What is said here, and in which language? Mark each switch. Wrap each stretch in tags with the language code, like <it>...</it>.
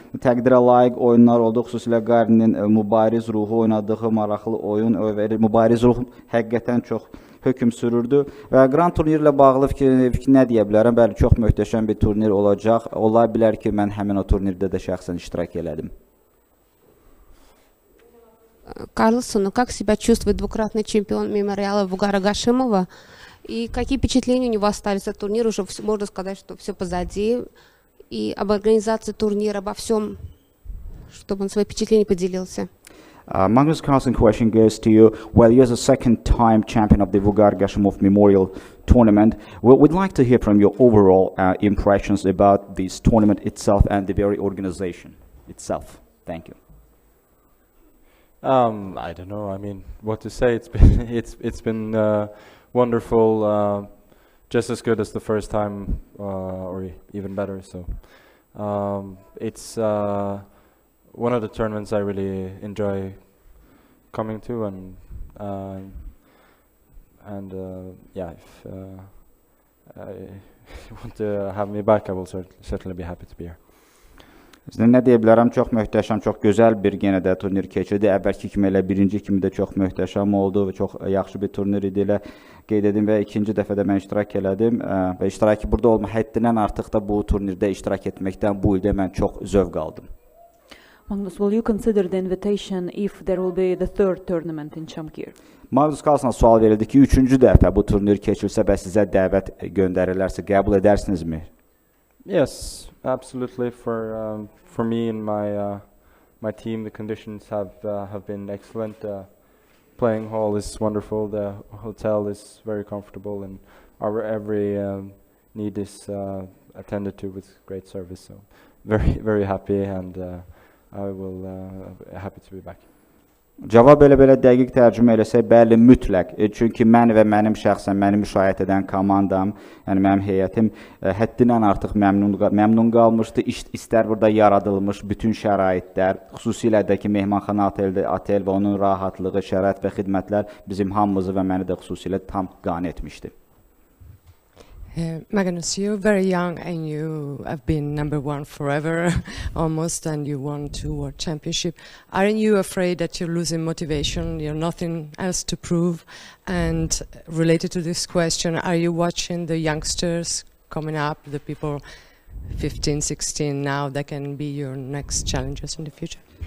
<az>Təqdirə layiq oyunlar oldu, xüsusilə Garinin mübariz ruhu oynadığı maraqlı oyun, mübariz ruh həqiqətən çox hökm sürürdü. Və Grand Turnier ilə bağlı fikir nə deyə bilərəm? Bəli, çox möhtəşəm bir turnir olacaq. Ola bilər ki, mən həmin o turnirdə də şəxsən iştirak elədim.</az> <ru>Карлсон, как себя чувствует двукратный чемпион мемориала Бугара Гашимова? И какие впечатления у него остались от турнира? Уже можно сказать, что все позади. И об организации турнира, обо всем, чтобы он свои впечатления поделился.</ru> <en>Magnus Carlsen question goes to you. Well, you're the second time champion of the Vugar Gashimov Memorial Tournament. Well, we'd like to hear from your overall impressions about this tournament itself and the very organization itself. Thank you. I don't know. I mean, what to say? It's been wonderful, just as good as the first time, or even better. So it's one of the tournaments I really enjoy coming to, if you want to have me back, I will certainly be happy to be here.</en> <az>Sizə nə deyə bilərəm, çox möhtəşəm, çox gözəl bir yenə də turnir keçirdi. Əvvəlki kimi elə birinci kimi də çox möhtəşəm oldu və çox yaxşı bir turnir idi. Elə qeyd edim və ikinci dəfə də mən iştirak elədim və iştirakı burada olma həddindən artıq da bu turnirdə iştirak etməkdən bu ildə mən çox zövq aldım.</az> <en>Magnus, will you consider the invitation if there will be the third tournament in Shamkir?</en> <az>Magnus Carlsen sual verildi ki, üçüncü dəfə bu turnir keçilsə və sizə dəvət göndərilərsə, qəbul edərsinizmi?</az> <en>Yes, absolutely. For me and my team, the conditions have been excellent. Playing hall is wonderful. The hotel is very comfortable, and our every need is attended to with great service. So, very happy, and I will happy to be back.</en> <az>Cavab belə dəqiq tərcümə eləsək, bəli, mütləq. Çünki mən və mənim şəxsən, mənim müşahidə edən komandam, yəni mənim heyətim həddindən artıq məmnun qalmışdı. İstər burada yaradılmış bütün şəraitlər, xüsusilə də ki, mehmanxana otel və onun rahatlığı, şərait və xidmətlər bizim hamımızı və məni də xüsusilə tam qane etmişdi.</az> <en>Magnus, you're very young and you have been number one forever almost, and you won two world championships. Aren't you afraid that you're losing motivation, you have nothing else to prove? And related to this question, are you watching the youngsters coming up, the people 15, 16 now, that can be your next challengers in the future?</en>